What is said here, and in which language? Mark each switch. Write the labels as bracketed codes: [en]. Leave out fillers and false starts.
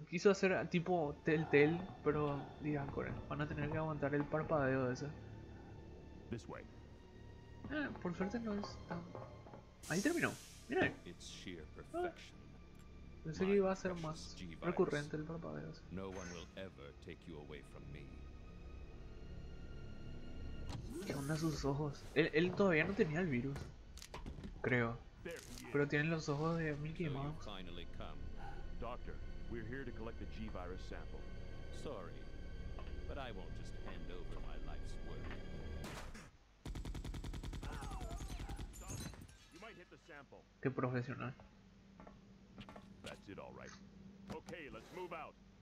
[es] Quiso hacer tipo Telltale, pero digan, Core, van a tener que aguantar el parpadeo de ese. [en] This way. [es] Por suerte no es tan. Ahí terminó. Mira ahí. [en] It's sheer perfection. [es] Pensé que iba a ser más recurrente el parpadeo. Ese. [en] No one will ever take you away from me. [es] ¿Qué onda sus ojos? Él todavía no tenía el virus. Creo. Pero tiene los ojos de Mickey Mouse. [en] Doctor, we're here to collect the G-Virus sample. Sorry, but I won't just hand over my life's work. You might hit the sample. [es] Qué profesional. [en] That's it, all right. Okay, let's move out.